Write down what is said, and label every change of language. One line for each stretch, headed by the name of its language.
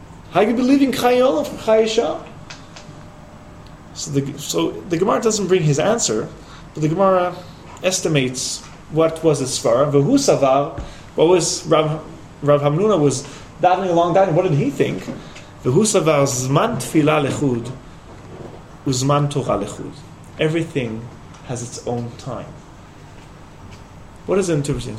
English: How could you be leaving Chaye Olam from Chaye Sha? So the Gemara doesn't bring his answer, but the Gemara estimates what was his svara. Vehu savar, what was Rav Hamnuna was davening along that? What did he think?
Hebrew: והוסבר זמן תפילה לחוד וזמן תורה לחוד.
English: Everything has its own time. What is it interpreting?